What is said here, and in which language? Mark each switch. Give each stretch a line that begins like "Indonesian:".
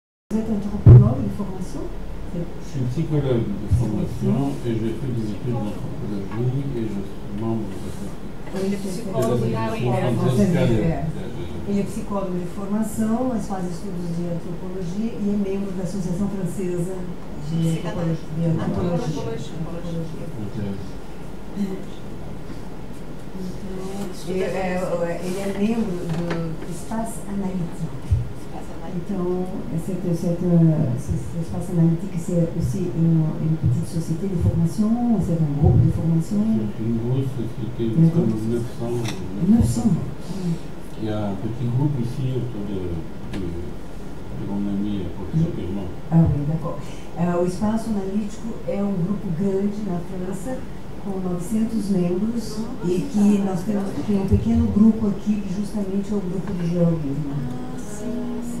French: Vous êtes anthropologue de formation? Je suis psychologue de formation et j'ai fait des études d'anthropologie et je suis membre de la
Portuguese: Ele é psicólogo de formação, mas faz estudos de antropologia e é membro da Associação Francesa de Antropologia. Ele é membro do Espaço Analítico.
French: Então, cet espace analytique, c'est aussi une petite société de formation, c'est un groupe de formation. C'est une grosse société, il y a comme 900. Il y a un petit groupe ici autour de mon ami, professeur Clément. Ah oui, d'accord.
Portuguese: O espaço analítico é um grupo grande na França, com 900 membros, e que nós temos um pequeno grupo aqui, que justamente é o grupo de geologismo.